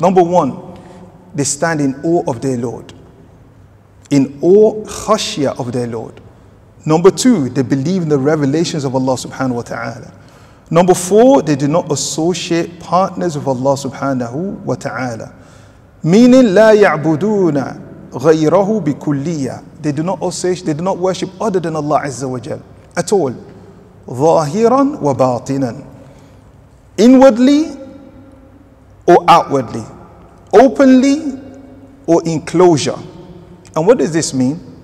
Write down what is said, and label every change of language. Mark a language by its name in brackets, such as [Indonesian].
[English] Number one, they stand in awe of their Lord. In awe, khashya of their Lord. Number two, they believe in the revelations of Allah subhanahu wa ta'ala. Number four, they do not associate partners with Allah subhanahu wa ta'ala. [Arabic] Meaning, لا يعبدون غيره بكلية. [English] They do not associate, they do not worship other than Allah Azza wa Jal at all. [Arabic] ظاهرا وباطنا. [English] Inwardly or outwardly. Openly or in closure. And what does this mean?